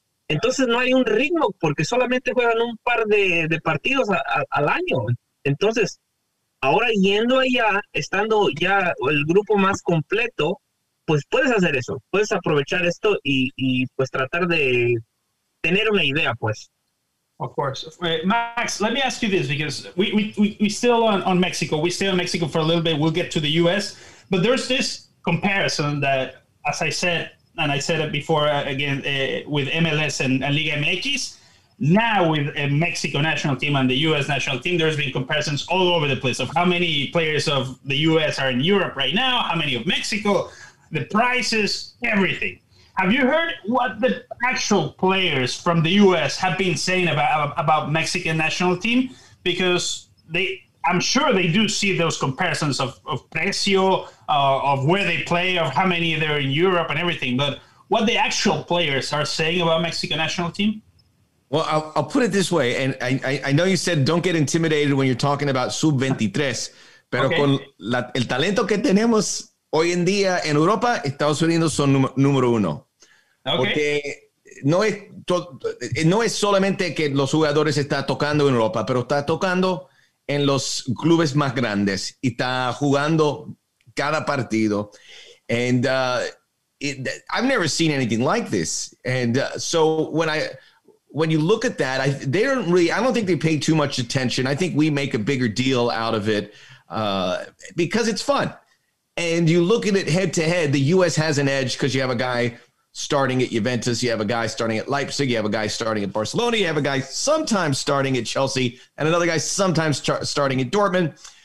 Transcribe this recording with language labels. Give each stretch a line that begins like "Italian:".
Spanish: Entonces no hay un ritmo porque solamente juegan un par de partidos al año. Entonces, ahora yendo allá, estando ya el grupo más completo, pues puedes hacer eso, puedes aprovechar esto y pues tratar de tener una idea, pues.
English: Of course. Max, let me ask you this, because we still on Mexico, we stay on Mexico for a little bit, we'll get to the US, but there's this comparison that, as I said, and I said it before again, with MLS and Liga MX, now with a Mexico national team and the US national team, there's been comparisons all over the place of how many players of the US are in Europe right now, how many of Mexico, the prices, everything. Have you heard what the actual players from the US have been saying about Mexican national team? Because I'm sure they do see those comparisons of precio, of where they play, of how many they're in Europe and everything. But what the actual players are saying about Mexican national team? Well, I'll put it this way. And I know you said don't get intimidated when you're talking about sub-23.
Spanish: Pero okay. Con el talento que tenemos hoy en día en Europa, Estados Unidos son número uno. Okay. Porque no es solamente que los jugadores están tocando en Europa, pero está tocando en los clubes más grandes y está jugando cada partido.
English: And I've never seen anything like this. And so when you look at that, I don't think they pay too much attention. I think we make a bigger deal out of it because it's fun. And you look at it head to head, the U.S. has an edge because you have a guy starting at Juventus, you have a guy starting at Leipzig, you have a guy starting at Barcelona, you have a guy sometimes starting at Chelsea, and another guy sometimes starting at Dortmund.